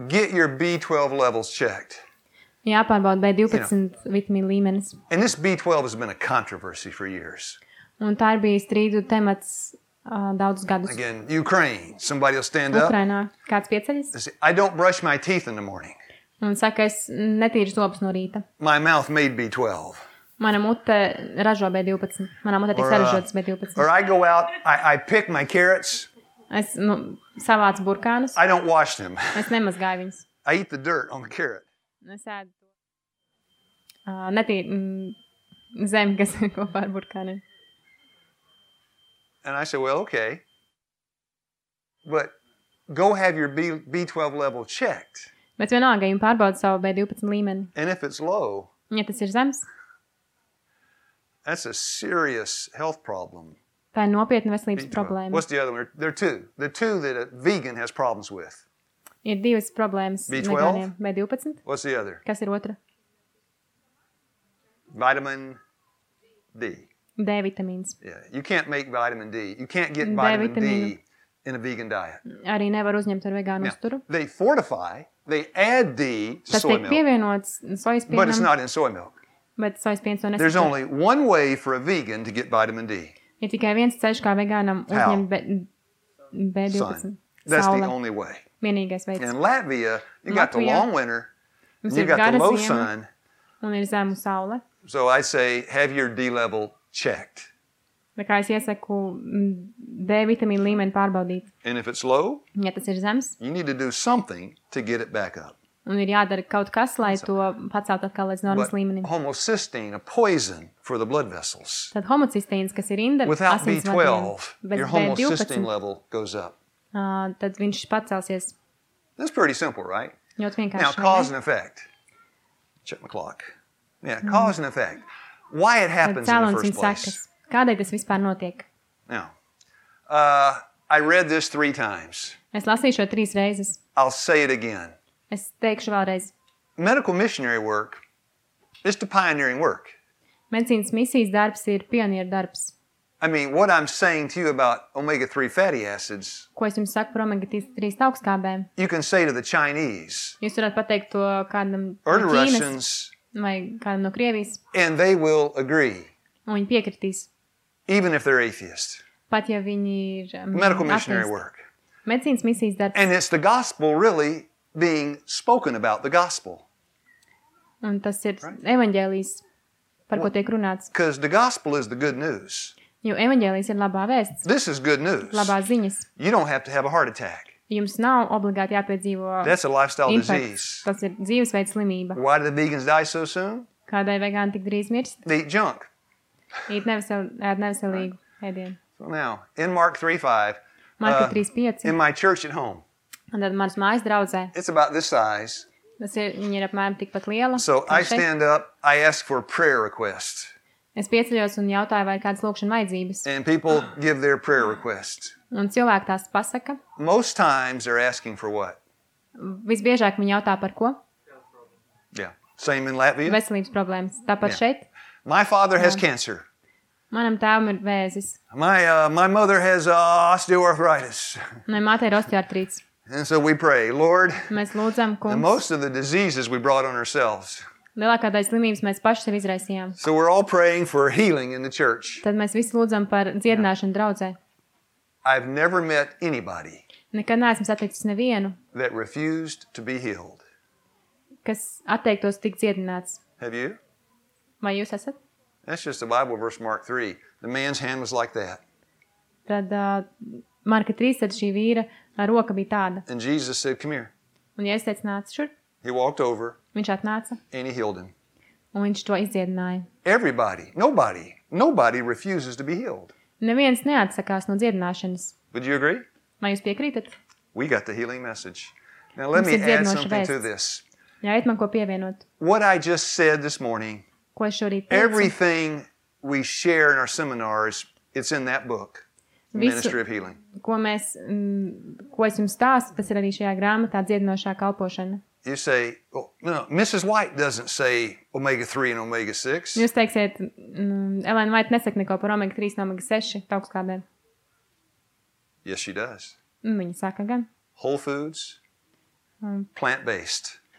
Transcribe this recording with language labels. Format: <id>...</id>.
<en>Get your B12 levels checked.</en> <lv>Jāpārbaud B12 vitamīnu līmenis.</lv> <en>And this B12 has been a controversy for years.</en> <lv>Un tā ir bijis strīdu temats daudzus gadus.</lv> <en>Again, Ukraine. Somebody will stand up.</en> <lv>Ukrainā. Kāds pieceļas?</lv> <en>I don't brush my teeth in the morning.</en> <lv>Un saka, es netīru zobus no rīta.</lv> <en>My mouth made B12.</en> <lv>Mana mute ražo B12. Mana mute tiek saražotas B12.</lv> <en>Or I go out, I pick my carrots.</en> <lv>Es nu, savāc burkānus.</lv> <en>I don't wash them.</en> <lv>Es nemazgāju viņus.</lv> <en>I eat the dirt on the carrot.</en> <lv>Es ēdu to. Zemi, kas ir kopā ar burkāniem.</lv> <en>And I said, well, okay. But go have your B12 level checked.</en> <lv>Bet vienalga, jums pārbaud savu B12 līmeni.</lv> <en>And if it's low,</en> <lv>ja tas ir zems,</lv> <en>that's a serious health problem.</en> <lv>Tā ir nopietna veselības problēma.</lv> <en>What's the other one? There are two. The two that a vegan has problems with.</en> <lv>Ir divas problēmas. B12?</lv> <en>What's the other?</en> <lv>Kas ir otra?</lv> <en>Vitamin D.</en> <lv>D vitamins.</lv> <en>Yeah, you can't make vitamin D. You can't get vitamin D in a vegan diet.</en> <lv>Arī nevar uzņemt ar vegānu uzturu.</lv> <en>They fortify. They add D to soy milk.</en> <lv>Pievienots sojas pienam.</lv> <en>But it's not in soy milk.</en> <lv>Bet sojas piens to nesatur.</lv> <en>There's only one way for a vegan to get vitamin D.</en> <lv>Ir tikai viens ceļš kā vegānam uzņemt B12.</lv> <en>That's the only way.</en> <lv>vienīgais veids.</lv> <en>In Latvia, you got the long winter, and you got the low sun.</en> <lv>Un ir zemu saule.</lv> <en>So I say, have your D level checked.</en> <lv>Tā kā es iesaku D vitamīnu līmeni pārbaudīt.</lv> <en>And if it's low,</en> <lv>ja tas ir zems,</lv> <en>you need to do something to get it back up.</en> <lv>Un ir jādara kaut kas, lai to pacelt atkal līdz normas līmenim.</lv> <en>Homocysteine, a poison for the blood vessels.</en> <lv>Tad homocysteins, kas ir inda asins vadiem,</lv> <en>bet your homocysteine level goes up.</en> <lv>Tad viņš pacelsies.</lv> <en>That's pretty simple, right?</en> <lv>Ļoti vienkārši.</lv> <en>Now, cause and effect. Check my clock. Yeah, cause and effect. Why it happens in the first place.</en> <lv>Kādēļ tas vispār notiek?</lv> <en>Now, I read this three times.</en> <lv>Es lasīju šo trīs reizes.</lv> <en>I'll say it again.</en> <lv>Es teikšu vēlreiz.</lv> <en>Medical missionary work is the pioneering work.</en> <lv>Medicīnas misijas darbs ir pioniera darbs.</lv> <en>I mean, what I'm saying to you about omega-3 fatty acids.</en> <lv>Ko es jums saku par omega-3 taukskābēm?</lv> <en>You can say to the Chinese.</en> <lv>Jūs varat pateikt to kādam no Ķīnas</lv> <en>Russians,</en> <lv>vai kādam no Krievijas.</lv> <en>And they will agree.</en> <lv>Un viņi piekritīs.</lv> <en>Even if they're atheists.</en> <lv>Pat ja viņi ir</lv> <en>medical missionary work.</en> <lv>Medicīnas misijas darbs.</lv> <en>And it's the gospel really being spoken about the gospel.</en> <lv>Un tas ir evaņģēlijs, par ko tiek runāts.</lv> <en>Because the gospel is the good news.</en> <lv>Jo evaņģēlijs ir labā vēsts.</lv> <en>This is good news.</en> <lv>Labā ziņas.</lv> <en>You don't have to have a heart attack.</en> <lv>Jums nav obligāti jāpiedzīvo.</lv> <en>That's a lifestyle disease.</en> <lv>Tas ir dzīvesveids slimība.</lv> <en>Why do the vegans die so soon?</en> <lv>Kādēļ vegāni tik drīz mirst?</lv> <en>They eat junk.</en> <lv>Eat neveselīgu ēdienu.</lv> <en>So now, in Mark 3:5.</en> <lv>Marka 3:5.</lv> <en>In my church at home.</en> <lv>Un tad manas mājas draudzē.</lv> <en>It's about this size.</en> <lv>Tas ir, viņa ir apmēram tikpat liela.</lv> <en>So I stand up, I ask for a prayer request.</en> <lv>Es pieceļos un jautāju, vai ir kādas lūkšana vajadzības.</lv> <en>And people give their prayer request.</en> <lv>Un cilvēki tās pasaka.</lv> <en>Most times they're asking for what?</en> <lv>Visbiežāk viņi jautā par ko?</lv> <en>Yeah. Same in Latvia.</en> <lv>Veselības problēmas. Tāpat šeit.</lv> <en>My father has cancer.</en> <lv>Manam tēvam ir vēzis.</lv> <en>My mother has osteoarthritis.</en> <lv>Manai mātei ir osteoartrīts.</lv> <en>And so we pray, Lord.</en> <lv>Mēs lūdzam, Kungs.</lv> <en>And most of the diseases we brought on ourselves.</en> <lv>Lielākā daļa slimības mēs paši sev izraisījām.</lv> <en>So we're all praying for healing in the church.</en> <lv>Tad mēs visi lūdzam par dziedināšanu draudzē.</lv> <en>I've never met anybody.</en> <lv>Nekad neesmu saticis nevienu.</lv> <en>That refused to be healed.</en> <lv>Kas atteiktos tikt dziedināts.</lv> <en>Have you?</en> <lv>Vai jūs esat?</lv> <en>That's just the Bible verse Mark 3. The man's hand was like that.</en> <lv>Tad Marka 3, tad šī vīra roka bija tāda.</lv> <en>And Jesus said, come here.</en> <lv>Un Jēzus teica, nāc šur.</lv> <en>He walked over.</en> <lv>Viņš atnāca.</lv> <en>And he healed him.</en> <lv>Un viņš to izdziedināja.</lv> <en>Everybody, nobody, nobody refuses to be healed.</en> <lv>Neviens neatsakās no dziedināšanas.</lv> <en>Would you agree?</en> <lv>Vai jūs piekrītat?</lv> <en>We got the healing message. Now let me add something to this.</en> <lv>Ļaujiet man ko pievienot.</lv> <en>What I just said this morning.</en> <lv>Ko es šorīt teicu.</lv> <en>Everything we share in our seminars, it's in that book. Ministry of Healing.</en> <lv>Ko mēs, ko es jums stāstu, tas ir arī šajā grāmatā dziedinošā kalpošana.</lv> <en>You say, oh, no, Mrs. White doesn't say omega-3 and omega-6.</en> <lv>Jūs teiksiet, Ellen White nesaka neko par omega-3 un omega-6 taukskādēm.</lv> <en>Yes, she does.</en> <lv>Viņa saka gan.</lv> <en>Whole foods, plant-based.</en>